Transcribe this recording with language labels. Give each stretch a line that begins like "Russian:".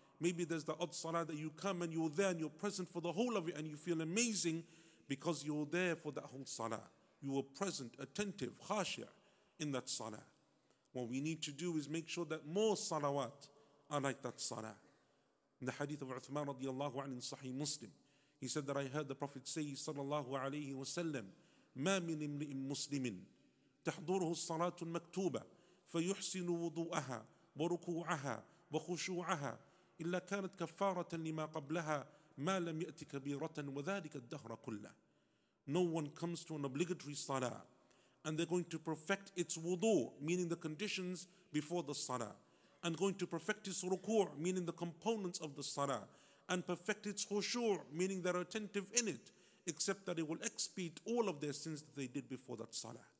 English: Maybe there's the odd salah that you come and you're there and you're present for the whole of it and you feel amazing because you're there for that whole salah. You were present, attentive, khashia in that salah. What we need to do is make sure that more salawat are like that salah. In the hadith of Uthman radiallahu anhu in Sahih Muslim, he said that I heard the Prophet say, sallallahu alayhi wa sallam,
Arabic: مَا مِنْ إِمْرِئٍ مُسْلِمٍ تَحْضُرُهُ الصَّلَاةُ الْمَكْتُوبَةِ فَيُحْسِنُ وُضُوءَهَا وَرُكُوعَهَا وَخُشُوعَهَا إِلَّا كَانَتْ كَفَّارَةً لِمَا قَبْلَهَا مَا لَمْ يَأْتِ كَبِيرَةً وَذَلِكَ الدَّهْرَ كُلَّهُ.
English: No one comes to an obligatory salah and they're going to perfect its wudu, meaning the conditions before the salah, and going to perfect its ruku', meaning the components of the salah, and perfect its khushu', meaning they're attentive in it, except that it will expiate all of their sins that they did before that salah.